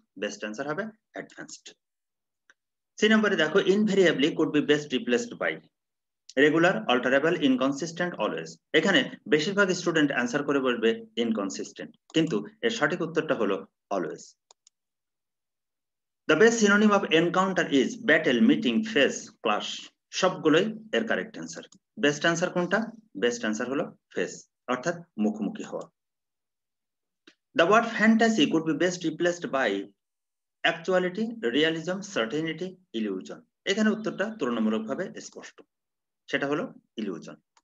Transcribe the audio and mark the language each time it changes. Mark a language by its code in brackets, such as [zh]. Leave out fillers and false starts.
[en] Best answer হবে advanced. [bn] C নম্বরে দেখো, [en] Invariably could be best replaced by, regular, alterable, inconsistent, always. [bn] এখানে বেশিরভাগ স্টুডেন্ট অ্যান্সার করে বলবে ইনকনসিস্টেন্ট, কিন্তু এর সঠিক উত্তরটা হলো always. [en] The best synonym of encounter is battle, meeting, face, clash. [bn] সবগুলোই এর কারেক্ট অ্যান্সার। বেস্ট অ্যান্সার কোনটা? বেস্ট অ্যান্সার হলো ফেস, অর্থাৎ মুখোমুখি হওয়া। [en] The word fantasy could be best replaced by actuality, realism, certainty, illusion. [bn] এখানে উত্তরটা তুলনামূলকভাবে স্পষ্ট, সেটা হলো ইলিউশন।